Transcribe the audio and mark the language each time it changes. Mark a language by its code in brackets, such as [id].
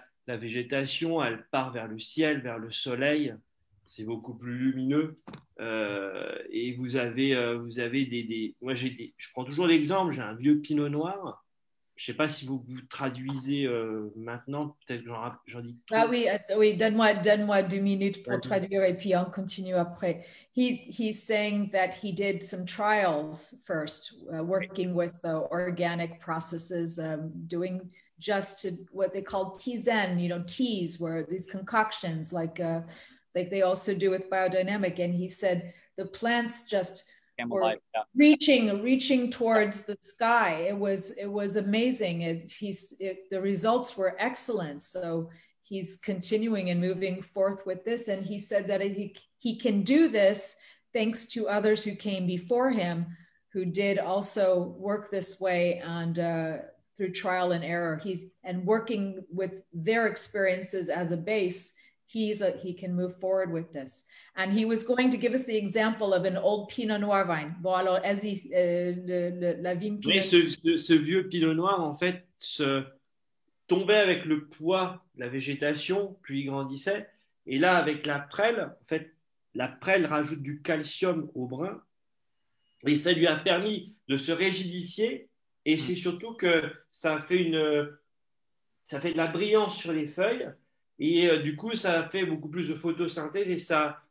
[fr] La végétation, elle part vers le ciel, vers le soleil, c'est beaucoup plus lumineux. Et vous avez des... Moi, je prends toujours l'exemple, j'ai un vieux pinot noir. Je ne sais pas si vous traduisez maintenant, peut-être que j'en dis tout. Ah oui, oui, donne-moi 2 minutes pour traduire et puis on continue après. [en] He's saying that he did some trials first, working with organic processes, doing just to what they call tisane, you know, teas, where these concoctions like they also do with biodynamic. And he said the plants just... reaching towards the sky. It was amazing. The results were excellent. So he's continuing and moving forth with this. And he said that he can do this thanks to others who came before him, who did also work this way and through trial and error. Working with their experiences as a base, he can move forward with this. And he was going to give us the example of an old Pinot Noir vine. [fr] Bon, alors, la vigne Pinot Noir. Ce vieux Pinot Noir, en fait, se tombait avec le poids, la végétation, puis il grandissait. Et là, avec la prêle, en fait, la prêle rajoute du calcium au brin. Et ça lui a permis de se rigidifier. Et c'est surtout que ça fait de la brillance sur les feuilles. Et du coup, ça fait beaucoup plus de photosynthèse et ça,